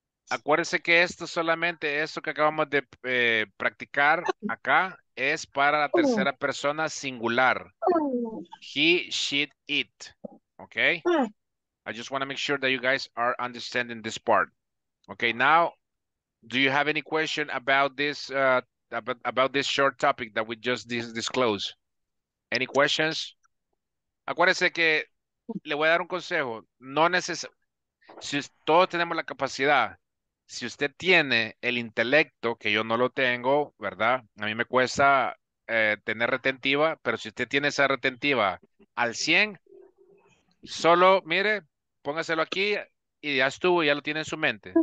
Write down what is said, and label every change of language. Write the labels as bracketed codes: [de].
[es] Acuérdense que esto solamente, esto que acabamos de practicar acá, es para la tercera persona singular. [en] He, she, it. Okay? I just want to make sure that you guys are understanding this part. Okay, now, do you have any question about this about this short topic that we just disclosed? Any questions? [es] Acuérdense que le voy a dar un consejo. No necesariamente, si todos tenemos la capacidad, si usted tiene el intelecto, que yo no lo tengo, ¿verdad? A mí me cuesta tener retentiva, pero si usted tiene esa retentiva al 100, solo, mire, póngaselo aquí y ya estuvo, ya lo tiene en su mente.